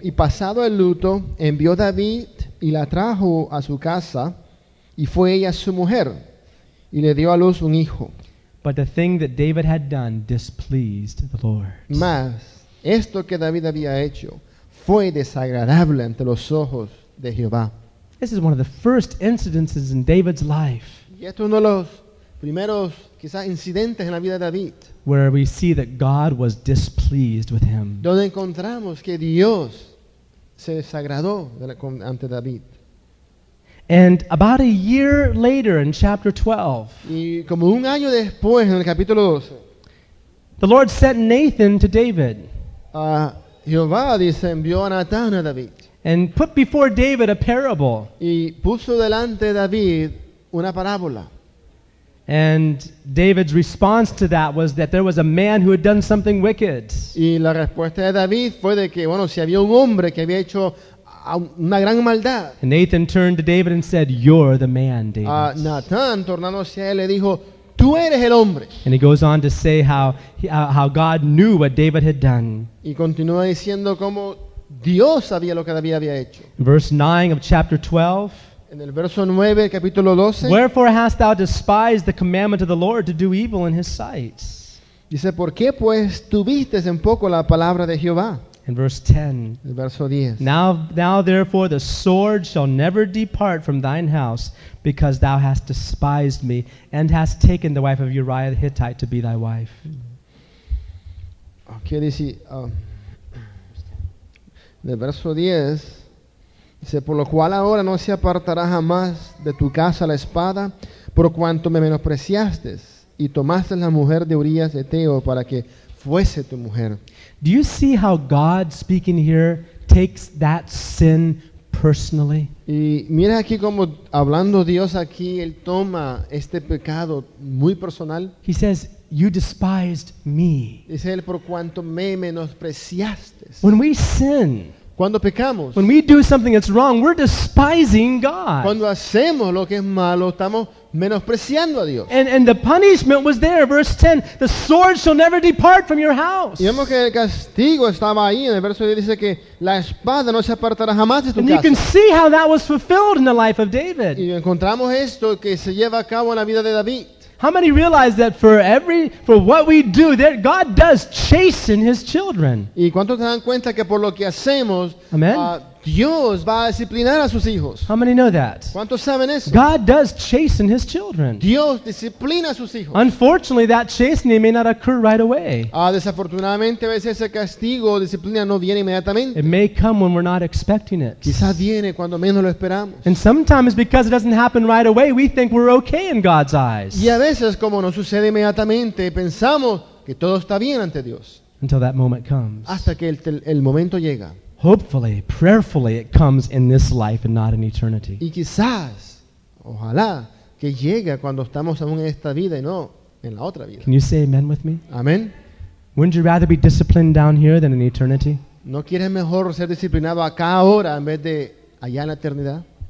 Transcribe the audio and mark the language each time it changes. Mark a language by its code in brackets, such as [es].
[es] Y pasado el luto, envió David y la trajo a su casa, y fue ella su mujer, y le dio a luz un hijo. [en] But the thing that David had done displeased the Lord. [es] Mas esto que David había hecho fue desagradable ante los ojos de Jehová. [en] This is one of the first incidences in David's life. [es] Y esto es uno de los primeros quizás incidentes en la vida de David. [en] Where we see that God was displeased with him. [es] Donde encontramos que Dios se desagradó ante David. [en] And about a year later in chapter 12, [es] y como un año después, en el capítulo 12, [en] the Lord sent Nathan to David. [es] Jehová dice, envió a Natán a David. [en] And put before David a parable. [es] Y puso delante David una parábola. [en] And David's response to that was that there was a man who had done something wicked. [es] Y la respuesta de David fue de que, bueno, si había un hombre que había hecho una gran maldad. [en] And Nathan turned to David and said, "You're the man, David." [es] Nathan, tornándose a él, le dijo, "Tú eres el hombre." [en] And he goes on to say how God knew what David had done. [es] Y continúa diciendo cómo Dios sabía lo que David había hecho. [en] Verse 9 of chapter 12. [es] En el verso 9, capítulo 12. [en] Wherefore hast thou despised the commandment of the Lord to do evil in His sight? [es] Dice, ¿por qué pues tuviste en poco la palabra de Jehová? [en] In verse 10, [es] verso 10. [en] Now therefore the sword shall never depart from thine house, because thou hast despised me, and hast taken the wife of Uriah the Hittite to be thy wife. [es] Okay, dice, de verso 10, dice, por lo cual ahora no se apartará jamás de tu casa la espada, por cuanto me menospreciaste, y tomaste la mujer de Urías Eteo para que fuese tu mujer. [en] Do you see how God speaking here takes that sin personally? [es] Y mira aquí como hablando Dios aquí, él toma este pecado muy personal. [en] He says, "You despised me." [es] Dice él, por cuanto me menospreciaste. [en] When we sin, [es] cuando pecamos, [en] when we do something that's wrong, we're despising God. [es] Cuando hacemos lo que es malo, estamos menospreciando a Dios. [en] And the punishment was there, verse 10. The sword shall never depart from your house. [es] Y vemos que el castigo estaba ahí. En el verso 10 dice que la espada no se apartará jamás de tu casa. [en] And you can see how that was fulfilled in the life of David. [es] Y encontramos esto que se lleva a cabo en la vida de David. [en] How many realize that for what we do, that God does chasten His children? [es] ¿Y cuántos se dan cuenta que por lo que hacemos, [en] amen? [es] Dios va a disciplinar a sus hijos. [en] How many know that? [es] ¿Cuántos saben eso? [en] God does chasten his children. [es] Dios disciplina a sus hijos. [en] Unfortunately, that chastening may not occur right away. [es] Desafortunadamente, a veces ese castigo o disciplina no viene inmediatamente. [en] It may come when we're not expecting it. [es] Quizás viene cuando menos lo esperamos. [en] And sometimes, because it doesn't happen right away, we think we're okay in God's eyes. [es] Y a veces, como no sucede inmediatamente, pensamos que todo está bien ante Dios. [en] Until that moment comes. [es] Hasta que el momento llega. [en] Hopefully, prayerfully, it comes in this life and not in eternity. [es] Y quizás, ojalá, que llegue cuando estamos aún en esta vida y no en la otra vida. [en] Can you say amen with me? [es] Amen. [en] Wouldn't you rather be disciplined down here than in eternity? [es] ¿No quieres mejor ser disciplinado acá ahora en vez de allá en la eternidad?